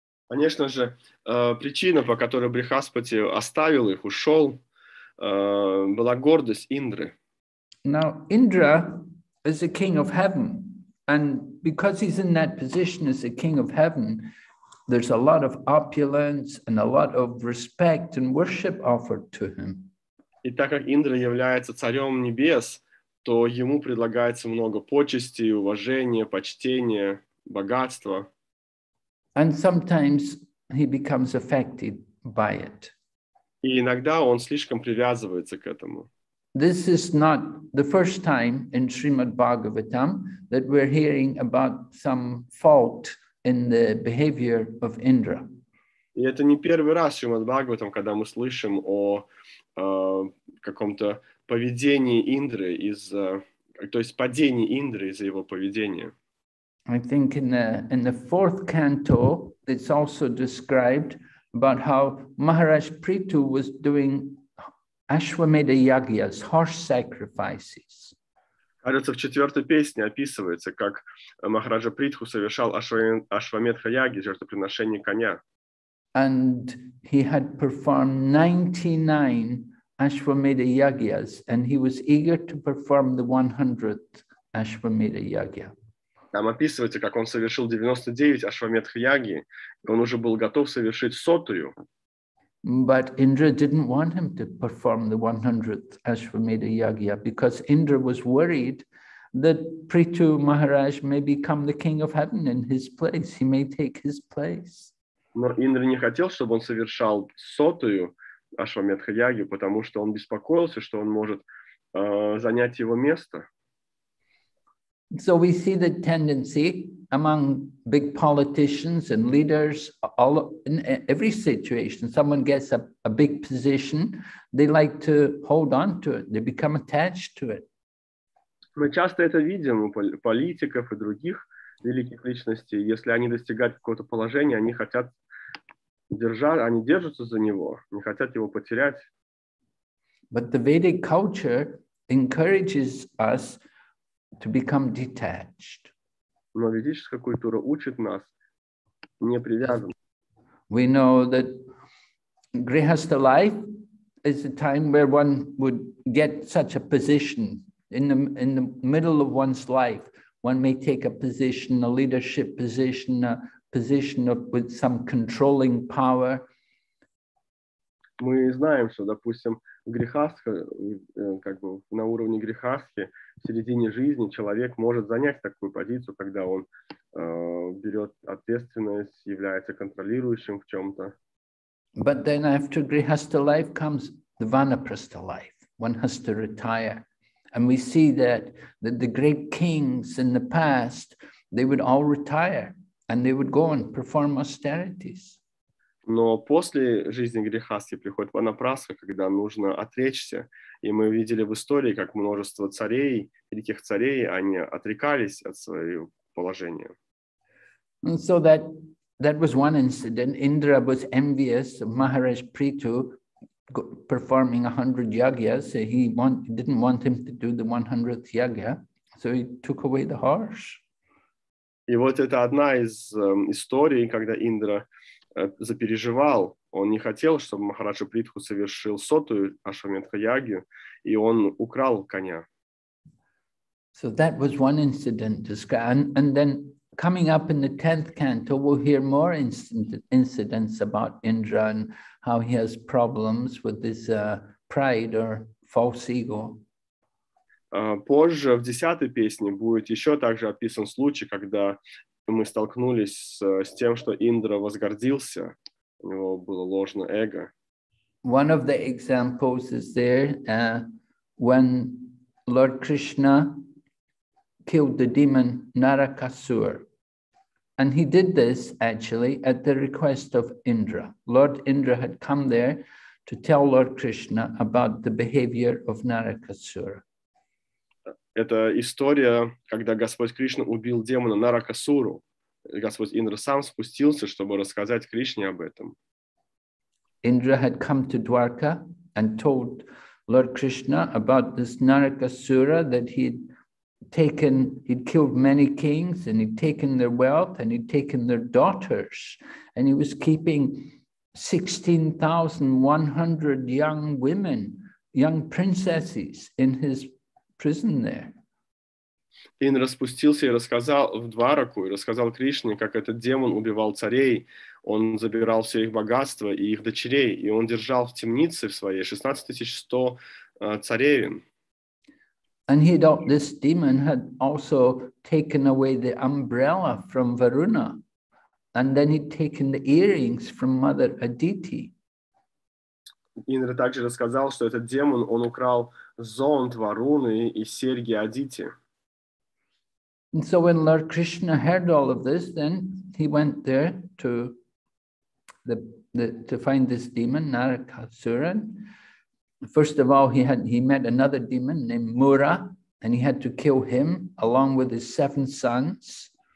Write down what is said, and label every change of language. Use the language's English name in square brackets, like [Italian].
[Russian] Конечно же, причина, по которой Брихаспати оставил их, ушел, была гордость Индры. [English] Now, Indra is the king of heaven, and because he's in that position as the king of heaven, there's a lot of opulence and a lot of respect and worship offered to him. [Russian] И так как Индра является царем небес, то ему предлагается много почестей, уважения, почтения, богатства. [English] And sometimes he becomes affected by it. [Russian] И иногда он слишком привязывается к этому. [English] This is not the first time in Srimad Bhagavatam that we're hearing about some fault in the behavior of Indra. [Russian] И это не первый раз в Шримад-Бхагаватам, когда мы слышим о каком-то поведении Индры, то есть падении Индры из-за его поведения. [English] I think in the fourth canto, it's also described about how Maharaj Prithu was doing Ashwamedha Yagyas, horse sacrifices. [Russian] Кажется, в четвертой песне описывается, как Махараджа Притху совершал Ашвамедха Яги, жертвоприношение коня. [English] And he had performed 99 Ashwamedha Yagyas, and he was eager to perform the 100th Ashwamedha Yagya. [Russian] Там описывается, как он совершил 99 Ашвамедха Яги, и он уже был готов совершить сотую. [English] But Indra didn't want him to perform the 100th Ashwamedha Yagya because Indra was worried that Prithu Maharaj may become the king of heaven in his place. He may take his place. [Russian] Но Индра не хотел, чтобы он совершал сотую Ашвамедха Ягью, потому что он беспокоился, что он может занять его место. [English] So we see the tendency among big politicians and leaders, all in every situation, someone gets a big position, they like to hold on to it, they become attached to it. [Russian] Мы часто это видим у политиков и других великих личностей. Если они достигают какого-то положения, они хотят держать, они держатся за него, не хотят его потерять. [English] But the Vedic culture encourages us to become detached. [Russian] Но ведическая культура учит нас не привязываться. [English] We know that grihastha life is a time where one would get such a position in the middle of one's life. One may take a position, a leadership position, a position of, with some controlling power. [Russian] Мы знаем, что, допустим, грехастха, как бы на уровне грехастхи, в середине жизни человек может занять такую позицию, когда он берет ответственность, является контролирующим в чем-то. [English] But then after grihastha life comes the vanaprastha life. One has to retire. And we see that the great kings in the past, they would all retire and they would go and perform austerities. [Russian] Но после жизни грехастхи приходит ванапрастха, когда нужно отречься. И мы видели в истории, как множество царей, великих царей, они отрекались от своего положения. [English] And so that was one incident. Indra was envious of Maharaj Prithu performing 100 yagyas. He didn't want him to do the 100th yagya, so he took away the horse. [Russian] И вот это одна из историй, когда Индра запереживал, он не хотел, чтобы Махараджа Притху совершил сотую Ашвамедха Ягью, и он украл коня. [English] So that was one incident. And then coming up in the 10th canto, we'll hear more incidents about Indra and how he has problems with his pride or false ego. [Russian] Позже, в 10-й песне, будет еще также описан случай, когда мы столкнулись с тем, что Индра возгордился, у него было ложное эго. [English] One of the examples is there when Lord Krishna killed the demon Narakasur. And he did this actually at the request of Indra. Lord Indra had come there to tell Lord Krishna about the behavior of Narakasur. [Russian] Это история, когда Господь Кришна убил демона Наракасуру. Господь Индра сам спустился, чтобы рассказать Кришне об этом. [English] Indra had come to Dwarka and told Lord Krishna about this Narakasura, that he'd killed many kings and he'd taken their wealth and he'd taken their daughters and he was keeping 16,100 young women, young princesses in his prison there. [Russian] Индра спустился и рассказал в Двараку, и рассказал Кришне, как этот демон убивал царей. Он забирал все их богатство и их дочерей, и он держал в темнице в своей 16 100 царевин. [English] And this demon had also taken away the umbrella from Varuna, and then he'd taken the earrings from Mother Aditi. [Russian] Индра также рассказал, что этот демон, он украл зонт Варуны и серьги Адити. [English] And so when Lord Krishna heard all of this, then he went there to the to find this demon, Narakasuran. First of all, he met another demon named Mura, and he had to kill him along with his seven sons.